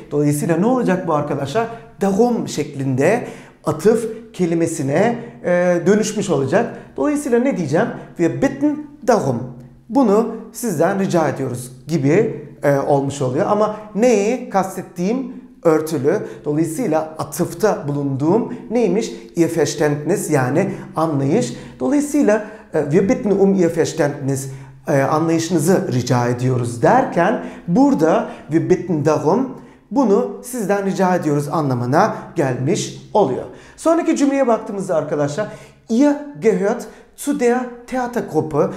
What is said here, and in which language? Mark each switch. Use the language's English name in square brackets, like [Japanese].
[Turkish] Dolayısıyla ne olacak bu arkadaşlar? Darum şeklinde atıf kelimesine dönüşmüş olacak. Dolayısıyla ne diyeceğim? [German] Wir bitten darum. [Turkish] Bunu sizden rica ediyoruz gibi olmuş oluyor. Ama neyi kastettiğim örtülü. Dolayısıyla atıfta bulunduğum neymiş? [German] Ihr Verständnis [Turkish] yani anlayış. Dolayısıyla [German] wir bitten um ihr Verständnis [Turkish] anlayışınızı rica ediyoruz derken burada [German] wir bitten darum [Turkish] bunu sizden rica ediyoruz anlamına gelmiş oluyor. Sonraki cümleye baktığımızda arkadaşlar [German] ihr gehört zu der Theatergruppe.